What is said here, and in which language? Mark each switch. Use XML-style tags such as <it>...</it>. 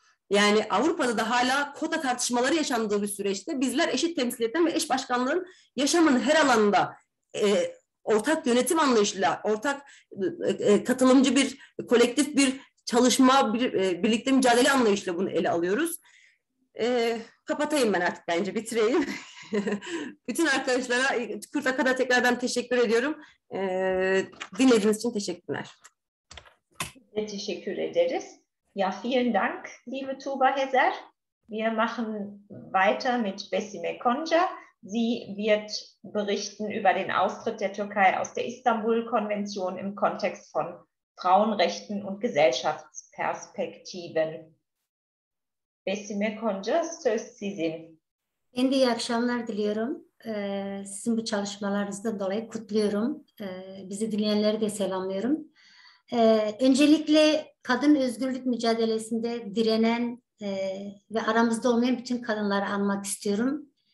<tr>Yani Avrupa'da da hala kota tartışmaları yaşandığı bir süreçte bizler eşit temsiliyetten ve eş başkanlığın yaşamın her alanında ortak yönetim anlayışıyla, ortak katılımcı bir kolektif bir çalışma, birlikte mücadele anlayışıyla bunu ele alıyoruz. Kapatayım ben artık, bence bitireyim. Bütün arkadaşlara Kürt'e kadar tekrardan teşekkür ediyorum. Dinlediğiniz için teşekkürler. Teşekkür ederiz.</tr> <de>Ja, vielen Dank, liebe Tuba Heser. Wir machen weiter mit Besime Konca. Sie wird berichten über den Austritt der Türkei aus der Istanbul-Konvention im Kontext von Frauenrechten und Gesellschaftsperspektiven.</de> <tr>Besime Konca, söz sizin. Ben de iyi akşamlar diliyorum. Sizin bu çalışmalarınızdan dolayı kutluyorum. Bizi dinleyenleri de selamlıyorum. Öncelikle kadın özgürlük mücadelesinde direnen ve aramızda olmayan bütün kadınları anmak istiyorum.</tr>